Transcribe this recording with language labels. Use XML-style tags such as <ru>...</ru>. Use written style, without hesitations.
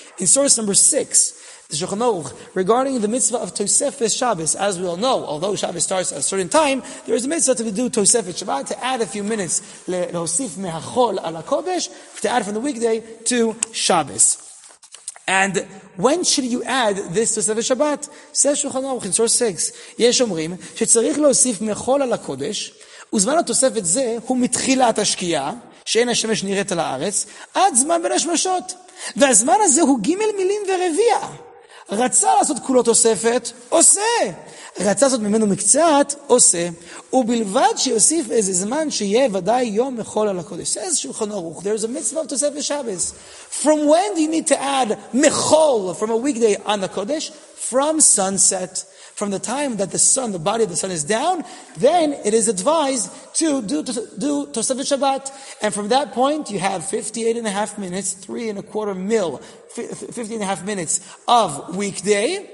<en>In source number 6, the Shulchan Aruch, regarding the mitzvah of Tosefes Shabbos, as we all know, although Shabbos starts at a certain time, there is a mitzvah to do Tosefes Shabbat, to add a few minutes,</en> <he>l'hosif mehachol ala kodesh,</he> <en>to add from the weekday to Shabbos. And when should you add this to Tosefes Shabbat? Says Shulchan Aruch in source 6,</en> <he>Yesh omrim, shetzarich l'hosif mechol ala kodesh, uzman ha-tosefet ze, hu mitchilat ha-shkiyah, שאין השמש נראית על הארץ, עד זמן בין השמשות. והזמן הזה הוא גימל מילים ורביע. רצה לעשות כולו תוספת, עושה. רצה לעשות ממנו מקצת, עושה. ובלבד שיוסיף איזה זמן שיהיה ודאי יום מחול על הקודש. זה שולחן ערוך.</he> <en>There is a mitzvah of תוספת שבס. From when do you need to add מחול from a weekday on the Kodesh? From sunset. From the time that the sun, the body of the sun is down, then it is advised to do Tosefet Shabbat. And from that point, you have 58 and a half minutes, 3 1/4 mil, 50 and a half minutes of weekday.</en>